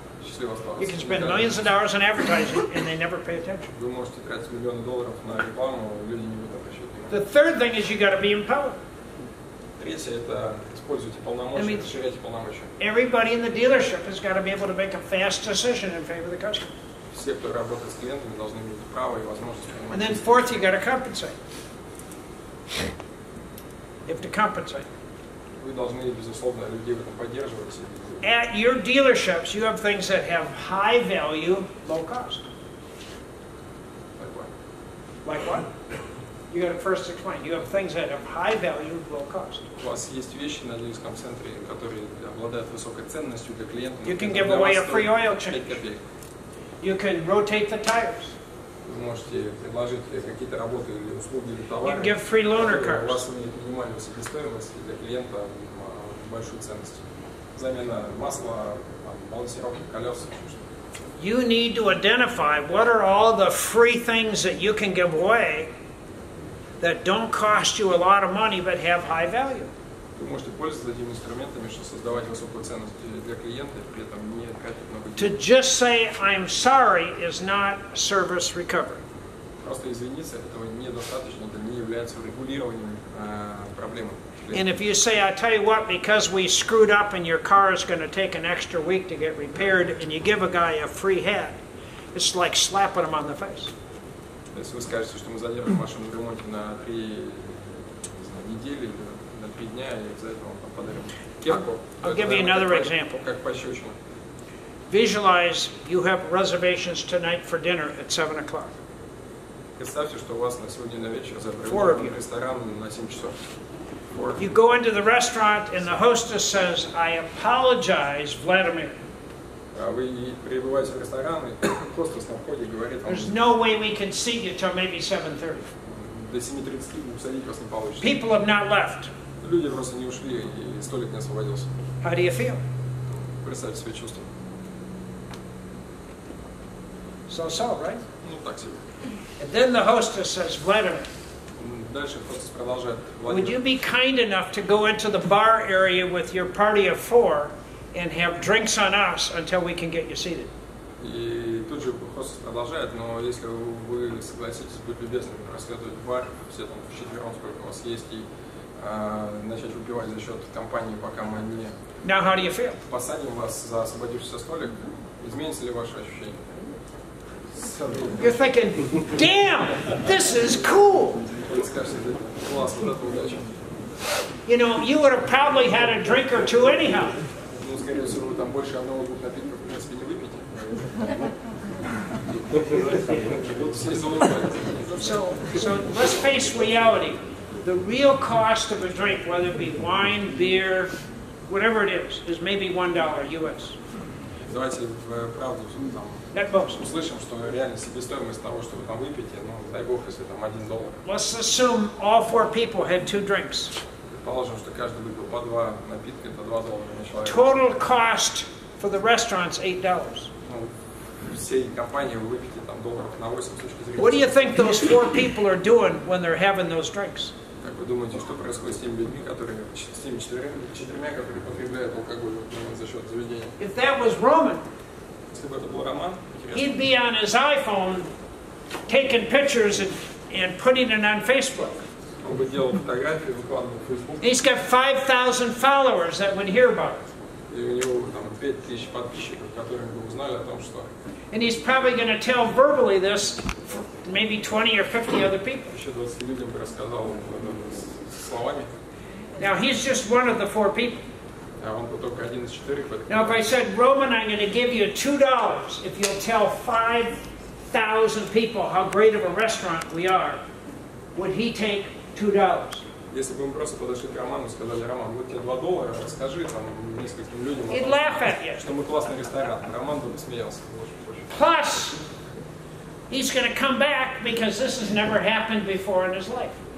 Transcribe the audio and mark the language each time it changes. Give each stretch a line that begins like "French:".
English: You can spend millions of dollars on advertising and they never pay attention. The third thing is you got to be empowered. I mean, everybody in the dealership has got to be able to make a fast decision in favor of the customer.
Russian: Все, кто работает с клиентами, должны иметь право и возможность принимать решения.
English: And then fourth, you got to compensate. If to compensate.
Russian: Вы должны безусловно людей в этом поддерживать.
English: At your dealerships, you have things that have high value, low cost. Like what? You got to first explain. You have things that have high value, low cost.
Russian: У вас есть вещи на дилерском центре, которые обладают высокой ценностью для клиента.
English: You can give away a free oil change. You can rotate the tires.
Russian: Вы можете предложить какие-то работы или услуги или товары.
English: You can give free loaner cards.
Russian: У вас имеет минимальную себестоимость для клиента большую ценность. Замена масла, балансировки колес.
English: You need to identify what are all the free things that you can give away that don't cost you a lot of money but have high value.
Russian: Вы можете пользоваться этими инструментами, чтобы создавать высокую ценность для клиента, при этом не тратить много денег.
English: To just say I'm sorry is not service recovery.
Russian: Просто извиниться, этого недостаточно, это не является урегулированием проблемы.
English: And if you say, I tell you what, because we screwed up and your car is going to take an extra week to get repaired, and you give a guy a free head, it's like slapping him on the face.
Russian: Если вы скажете, что мы задержим машину в ремонте на 3 недели, на 3 дня, и за это вам подарим кепку.
English: I'll give you another example.
Russian: Как пощечина.
English: Visualize you have reservations tonight for dinner at 7 o'clock.
Russian: Представьте, что у вас на сегодня на вечер забронирован ресторан на 7 часов.
English: Four. You go into the restaurant and the hostess says, I apologize, Vladimir.
Russian: Вы прибываете в ресторан, и хостес на входе говорит вам...
English: There's no way we can seat you till maybe 7:30.
Russian: До 7:30 усадить вас не получится.
English: People have not left.
Russian: Люди просто не ушли, и столик не освободился.
English: How do you feel?
Russian: Представьте себе чувство.
English: So-so, right?
Russian: Ну, так себе.
English: And then the hostess says, Vladimir.
Russian: Дальше хостес продолжает.
English: Would you be kind enough to go into the bar area with your party of four and have drinks on us until we can get you seated?
Russian: И тут же хостес продолжает, но если вы согласитесь быть любезным, расследовать бар, все там вчетвером, сколько у вас есть, и начать выпивать за счет компании, пока мы не...
English: Now how do you feel?
Russian: Посадим вас за освободившийся столик. Изменится ли ваше ощущение?
English: You're thinking, damn, this is cool!
Russian: Вы скажете, это класс, вот это удача.
English: You know, you would have probably had a drink or two anyhow.
Russian: Скорее всего, вы там больше одного-двух напитков, в принципе, не выпьете.
English: So let's face reality. The real cost of a drink, whether it be wine, beer, whatever it is maybe $1 US.
Russian: Давайте в правду там, услышим, что реально себестоимость того, что вы там выпьете, ну, дай бог, если там $1.
English: Let's assume all four people had two drinks.
Russian: Предположим, что каждый выпил по два напитка, это $2 на человека.
English: Total cost for the restaurants $8.
Russian: Ну, всей компании вы выпьете там долларов на 8 с точки зрения.
English: What do you think those four people are doing when they're having those drinks?
Russian: Как вы думаете, что происходит с теми людьми, которые, с теми четырьмя, которые потребляют алкоголь за счет заведения?
English: If that was Roman,
Russian: если бы это был Роман,
English: he'd be on his iPhone taking pictures and putting it on Facebook.
Russian: Он бы делал фотографии, выкладывал в Facebook.
English: He's got 5,000 followers that would hear about it.
Russian: И у него там 5,000 подписчиков, которые бы узнали о том, что.
English: And he's probably going to tell verbally this for maybe 20 or 50 other people.
Russian: Еще 20 людям бы рассказал словами.
English: Now he's just one of the four people.
Russian: А он только один из четырех.
English: Now if I said, Roman, I'm going to give you $2 if you'll tell 5,000 people how great of a restaurant we are, would he take $2?
Russian: Если бы мы просто подошли к Роману и сказали, Роман, вот тебе $2, расскажи там нескольким людям,
English: he'd laugh at you.
Russian: Что мы классный ресторан. Роман бы смеялся.
English: Plus, he's going to come back because this has never happened before in his life.